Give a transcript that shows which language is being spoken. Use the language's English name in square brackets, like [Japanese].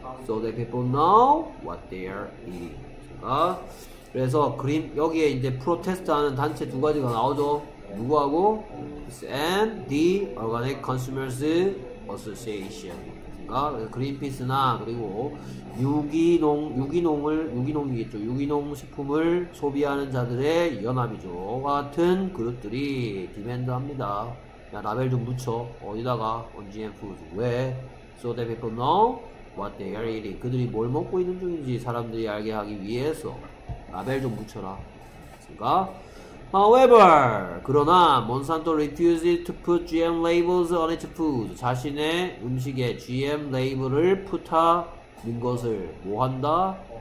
[English] so that people know what they are eating. [Korean] 아, 그래서 그린, 여기에 이제 프로테스트 하는 단체 두 가지가 나오죠. 누구하고? [English] and the Organic Consumers Association. [Korean] 그러니까 그린피스나 그리고 유기농, 유기농을 유기농이겠죠. 유기농 식품을 소비하는 자들의 연합이죠. 같은 그룹들이 디멘드합니다. 야, 라벨 좀 붙여. 어디다가? [English] on GM food. [Korean] 왜? [English] so that people know what they are eating. [Korean] 그들이 뭘 먹고 있는 중인지 사람들이 알게 하기 위해서 라벨 좀 붙여라. 그러니까 [English] However, [Korean] 그러나 [English] Monsanto refused to put GM labels on its food. [Korean] 자신의 음식에 GM 레이블을 붙하는 것을 뭐한다?